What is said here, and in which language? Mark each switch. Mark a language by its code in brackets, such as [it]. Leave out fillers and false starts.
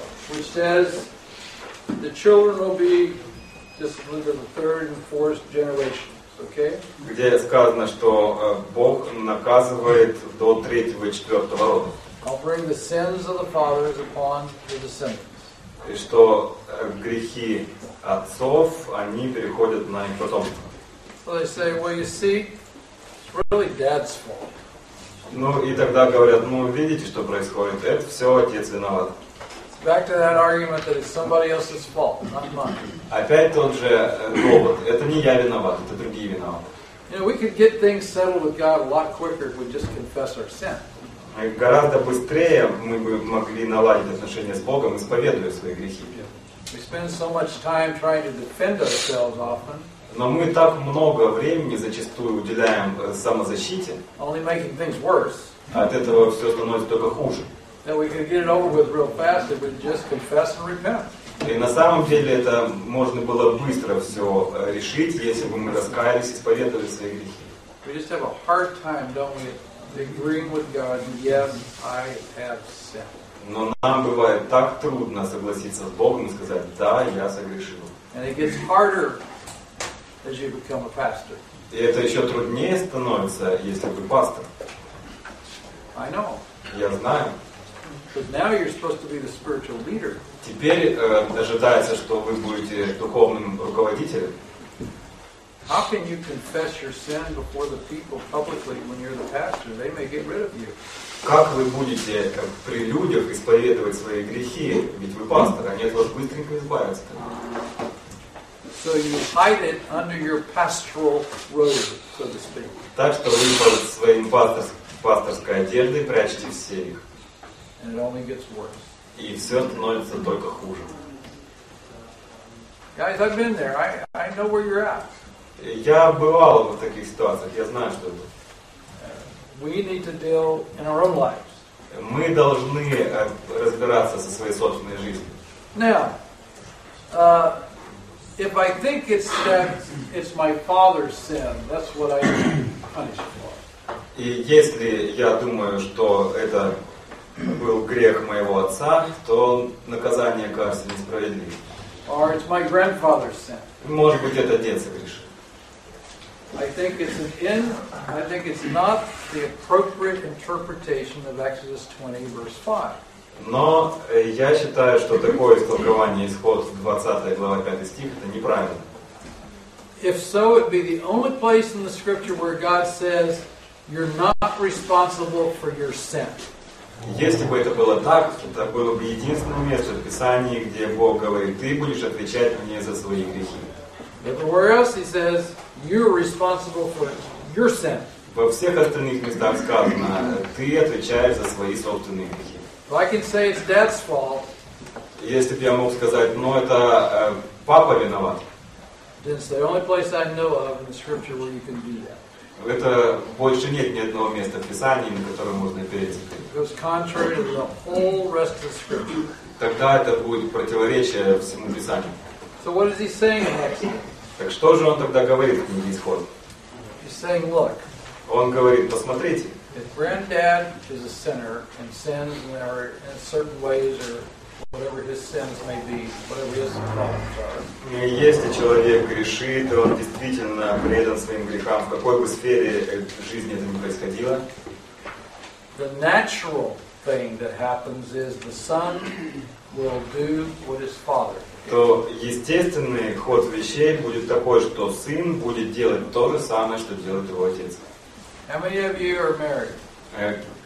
[en] Which says, the children will be disciplined in the third and fourth generations. Okay? [ru] Где сказано, что Бог наказывает до третьего и четвертого рода. [en] I'll bring the sins of the fathers upon the descendants. [ru] И что грехи отцов, они переходят на их потомство. [en] So they say, well, you see, it's really dad's fault. [ru] Ну, и тогда говорят, ну, видите, что происходит? Это все отец виноват. [en] Back to that argument that it's somebody else's fault, not mine. [ru] Опять тот же довод. Это не я виноват, это другие виноваты. [en] You know, we could get things settled with God a lot quicker if we just confess our sin. [ru] Гораздо быстрее мы бы могли наладить отношения с Богом, исповедуя свои грехи. [en] We spend so much time trying to defend ourselves often. [ru] Но мы так много времени зачастую уделяем самозащите. [en] Only making things worse. [ru] От этого все становится только хуже. [en] That we could get it over with real fast if we just confess and repent. [ru] И на самом деле это можно было быстро все решить, если бы мы раскаялись и исповедовали свои грехи. [en] We just have a hard time, don't we, agreeing with God, yes, I have sinned. [ru] Но нам бывает так трудно согласиться с Богом и сказать, да, я согрешил. [en] And it gets harder as you become a pastor. [ru] И это еще труднее становится, если вы пастор. [en] I know. [ru] Я знаю. [en] But now you're supposed to be the spiritual leader. [ru] Теперь ожидается, что вы будете духовным руководителем. [en] How can you confess your sin before the people publicly when you're the pastor? They may get rid of you. [ru] Как вы будете при людях исповедовать свои грехи, ведь вы пастор, они от вас быстренько избавятся. [en] So you hide it under your pastoral robe, so to speak. [ru] Так что вы под своим пасторской одеждой прячете все их. [en] And it only gets worse. [ru] И все становится только хуже. [en] Guys, I've been there. I know where you're at. [ru] Я бывал в таких ситуациях. Я знаю, что это. [en] We need to deal in our own lives. [ru] мы должны разбираться со своей собственной жизнью. [en] Now, if I think it's my father's sin, that's what I punish for. [ru] И если я думаю, что это был грех моего отца, то наказание кажется несправедливым. [en] Or it's my grandfather's sin. [ru] Может быть, это дед согрешил. [en] I think it's not the appropriate interpretation of Exodus 20, verse 5. [ru] Но я считаю, что такое истолкование исход 20 глава 5 стих это неправильно. [en] If so, it'd be the only place in the scripture where God says you're not responsible for your sin. [ru] Если бы это было так, это было бы единственное место в Писании, где Бог говорит, ты будешь отвечать мне за свои грехи. [en] Everywhere else he says, you're responsible for your sin. [ru] Во всех остальных местах сказано, ты отвечаешь за свои собственные грехи. [en] If I can say it's dad's fault, [ru] если бы я мог сказать, ну это папа виноват, [en] then it's the only place I know of in the scripture where you can do that. [ru] Это больше нет ни одного места в Писании, на которое можно перейти. [en] Goes contrary to the whole rest of the scripture. [ru] Тогда это будет противоречие всему Писанию. [en] So what is he saying in Exodus? [ru] Так что же он тогда говорит в книге Исход? [en] He's saying, look. [ru] Он говорит, посмотрите. [en] If granddad is a sinner and sins in certain ways or whatever his sins may be, whatever his problems are. [ru] Если человек грешит, он действительно предан своим грехам, в какой бы сфере жизни это ни происходило. [en] The natural thing that happens is the son will do what his father did. [ru] То естественный ход вещей будет такой, что сын будет делать то же самое, что делает его отец. [en] How many of you are married?